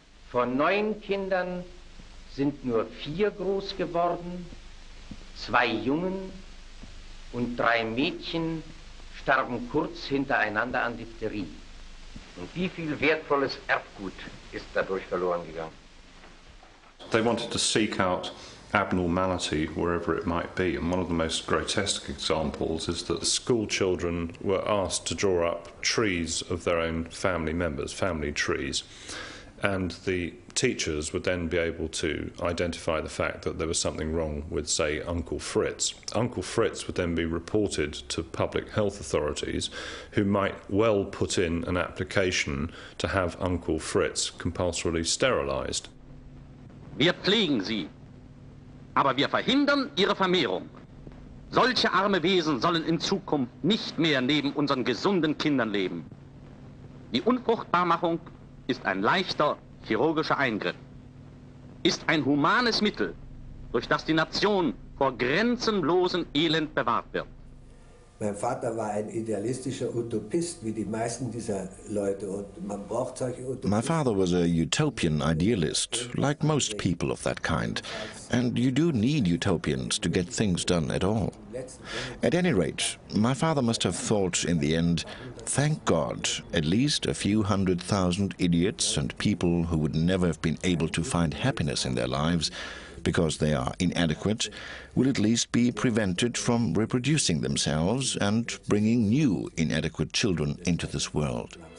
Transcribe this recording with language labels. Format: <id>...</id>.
<de>Von 9 Kindern sind nur 4 groß geworden, 2 Jungen und 3 Mädchen starben kurz hintereinander an Diphtherie. Und wie viel wertvolles Erbgut ist dadurch verloren gegangen?</de> <en>They wanted to seek out abnormality wherever it might be, and one of the most grotesque examples is that school children were asked to draw up trees of their own family members, family trees, and the teachers would then be able to identify the fact that there was something wrong with, say, Uncle Fritz. Uncle Fritz would then be reported to public health authorities, who might well put in an application to have Uncle Fritz compulsorily sterilized.</en> <de>Wir pflegen sie, aber wir verhindern ihre Vermehrung. Solche arme Wesen sollen in Zukunft nicht mehr neben unseren gesunden Kindern leben. Die Unfruchtbarmachung ist ein leichter chirurgischer Eingriff, ist ein humanes Mittel, durch das die Nation vor grenzenlosem Elend bewahrt wird. Mein Vater war ein idealistischer Utopist, wie die meisten dieser Leute, und man braucht solche Utopisten.</de> <en>My father was a utopian idealist, like most people of that kind, and you do need utopians to get things done at all. At any rate, my father must have thought in the end, thank God, at least a few hundred thousand idiots and people who would never have been able to find happiness in their lives, because they are inadequate, will at least be prevented from reproducing themselves and bringing new inadequate children into this world.</en>